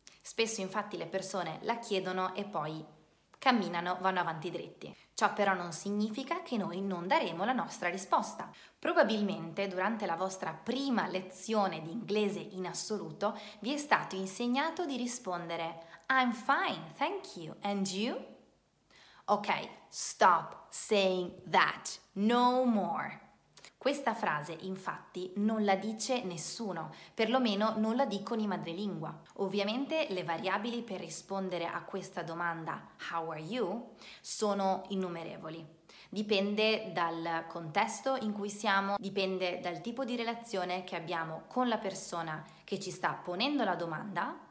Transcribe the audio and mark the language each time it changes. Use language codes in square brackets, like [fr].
[it] Spesso, infatti, le persone la chiedono e poi camminano, vanno avanti dritti. Ciò però non significa che noi non daremo la nostra risposta. Probabilmente durante la vostra prima lezione di inglese in assoluto vi è stato insegnato di rispondere [en] I'm fine, thank you, and you? Ok, stop saying that, no more. [it] Questa frase, infatti, non la dice nessuno, perlomeno non la dicono in madrelingua. Ovviamente le variabili per rispondere a questa domanda, [en] how are you, [it] sono innumerevoli. Dipende dal contesto in cui siamo, dipende dal tipo di relazione che abbiamo con la persona che ci sta ponendo la domanda.